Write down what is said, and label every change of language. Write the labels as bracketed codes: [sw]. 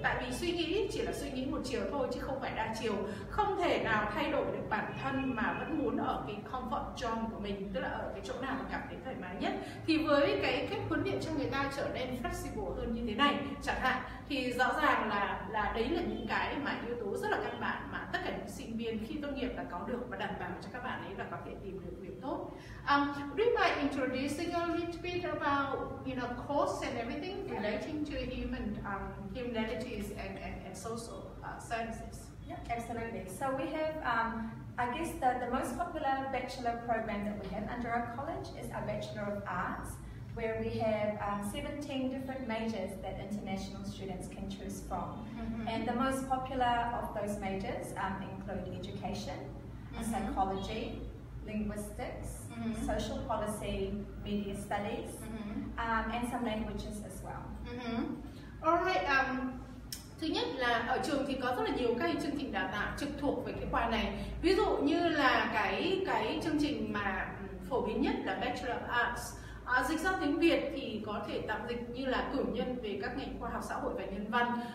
[vi] Tại vì suy nghĩ chỉ là suy nghĩ một chiều thôi chứ không phải đa chiều. Không thể nào thay đổi được bản thân mà vẫn muốn ở cái comfort zone của mình, tức là ở cái chỗ nào mà cảm thấy thoải mái nhất. Thì với cái cách huấn luyện cho người ta trở nên flexible hơn như thế này chẳng hạn, thì rõ ràng là đấy là những cái mà yếu tố rất là căn bản mà tất cả những sinh viên khi tốt nghiệp là có được và đảm bảo cho các bạn ấy là có thể tìm được việc tốt. [en] Would you mind introducing a little bit about, you know, course and everything relating to human humanities and social sciences? Yeah, absolutely. So we have, I guess the most popular bachelor program that we have under our college is our Bachelor of Arts, where we have 17 different majors that international students can choose from. And the most popular of those majors include education, psychology, linguistics, social policy, media studies, and some languages as well. [vi] Alright, thứ nhất là ở trường thì có rất là nhiều các chương trình đào tạo trực thuộc về cái khoa này. Ví dụ như là cái chương trình mà phổ biến nhất là Bachelor of Arts. Dịch sang tiếng Việt thì có thể tạm dịch như là cử nhân về các ngành khoa học xã hội và nhân văn.